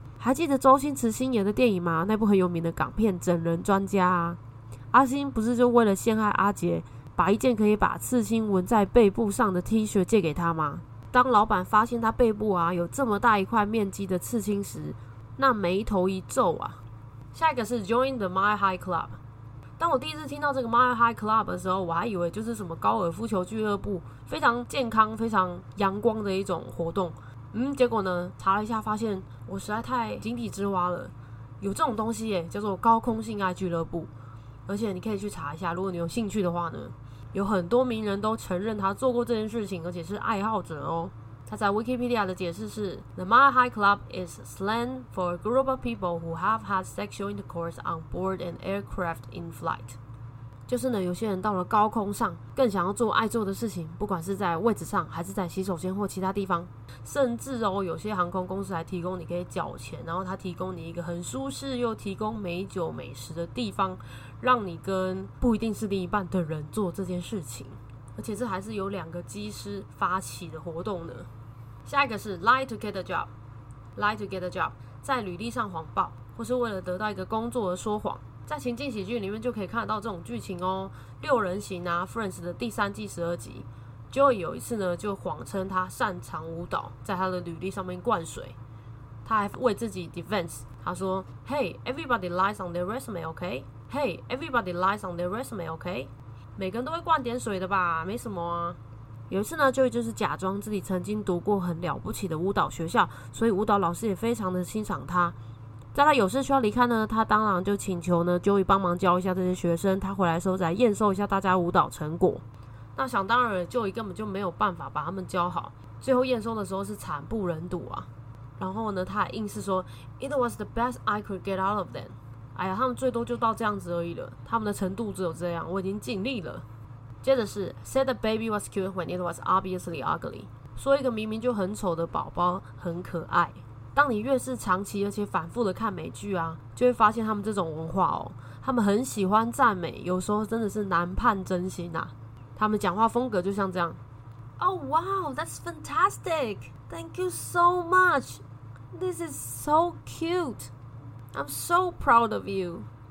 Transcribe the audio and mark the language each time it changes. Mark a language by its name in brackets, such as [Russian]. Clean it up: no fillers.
[Chinese] 还记得周星驰星爷的电影吗？那部很有名的港片《整人专家》啊，阿星不是就为了陷害阿杰，把一件可以把刺青纹在背部上的 T 恤借给他吗？当老板发现他背部啊有这么大一块面积的刺青时，那眉头一皱啊。下一个是 Join the Mile High Club。当我第一次听到这个 Mile High Club 的时候，我还以为就是什么高尔夫球俱乐部，非常健康、非常阳光的一种活动。结果呢，查了一下发现我实在太井底之蛙了，有这种东西耶，叫做高空性爱俱乐部。而且你可以去查一下，如果你有兴趣的话呢，有很多名人都承认他做过这件事情，而且是爱好者哦。他在 Wikipedia 的解释是 [English] The Mile High Club is slang for a group of people who have had sexual intercourse on board an aircraft in flight。 [Chinese] 就是呢，有些人到了高空上更想要做爱做的事情，不管是在位置上还是在洗手间或其他地方，甚至哦，有些航空公司还提供你可以缴钱，然后他提供你一个很舒适又提供美酒美食的地方，让你跟不一定是另一半的人做这件事情。而且这还是由两个机师发起的活动呢。下一个是 [English] lie to get a job， [Chinese] lie to get a job， 在履历上谎报，或是为了得到一个工作而说谎。在情境喜剧里面就可以看得到这种剧情哦。六人行啊 ，Friends 的第三季十二集 ，Joey 有一次呢就谎称他擅长舞蹈，在他的履历上面灌水。他还为自己 defense， 他说 [English] ：“Hey， everybody lies on their resume， OK？ Hey， everybody lies on their resume， OK？” [Chinese] 每个人都会灌点水的吧，没什么啊。有一次呢，Joey就是假装自己曾经读过很了不起的舞蹈学校，所以舞蹈老师也非常的欣赏他。在他有事需要离开呢，他当然就请求呢Joey帮忙教一下这些学生，他回来的时候再验收一下大家舞蹈成果。那想当然Joey根本就没有办法把他们教好，最后验收的时候是惨不忍睹啊。然后呢，他还硬是说 [English] It was the best I could get out of them。 [Chinese] 哎呀，他们最多就到这样子而已了，他们的程度只有这样，我已经尽力了。接着是 [English] Said the baby was cute when it was obviously ugly， [Chinese] 说一个明明就很丑的宝宝很可爱。当你越是长期而且反复的看美剧啊，就会发现他们这种文化哦，他们很喜欢赞美，有时候真的是难判真心啊。他们讲话风格就像这样 [English] Oh wow, that's fantastic. Thank you so much. This is so cuteI'm so proud of you.